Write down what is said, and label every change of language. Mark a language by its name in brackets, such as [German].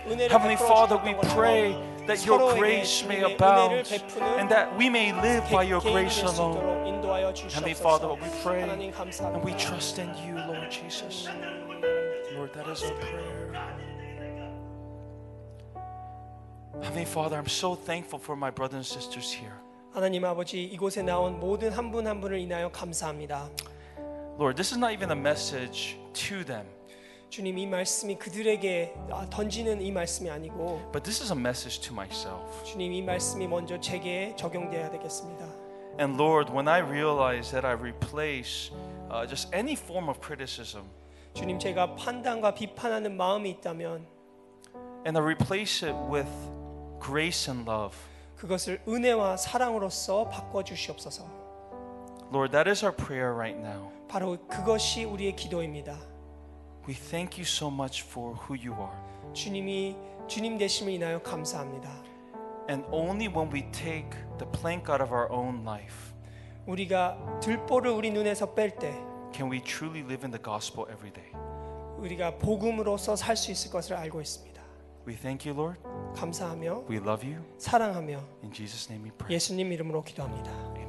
[English] Heavenly Father, we pray that your grace may abound and that we may live by your grace alone. Heavenly Father, we pray and we trust in you, Lord Jesus. Lord, that is our prayer. Heavenly Father, I'm so thankful for my brothers and sisters here. [Korean] 하나님 아버지, 이곳에 나온 모든 한 분 한 분을 인하여 감사합니다. [English] Lord, this is not even a message to them. [Korean] 주님 이 말씀이 그들에게 던지는 이 말씀이 아니고 [English] But this is a message to myself. [Korean] 주님 이 말씀이 먼저 제게 적용되어야 되겠습니다. [English] And Lord, when I realize that I replace just any form of criticism. [Korean] 주님 제가 판단과 비판하는 마음이 있다면 [English] And I replace it with grace and love. [Korean] 그것을 은혜와 사랑으로써 바꿔 주시옵소서. [English] Lord, that is our prayer right now. [Korean] 바로 그것이 우리의 기도입니다. [English] We thank you so much for who you are. [Korean] 주님이 주님 되심을 인하여 감사합니다. [English] And only when we take the plank out of our own life. [Korean] 우리가 들보를 우리 눈에서 뺄 때 [English] can we truly live in the gospel every day? [Korean] 우리가 복음으로서 살 수 있을 것을 알고 있습니다. [English] We thank you, Lord. [Korean] 감사하며 [English] we love you. [Korean] 사랑하며 [English] in Jesus name we pray. [Korean] 예수님 이름으로 기도합니다.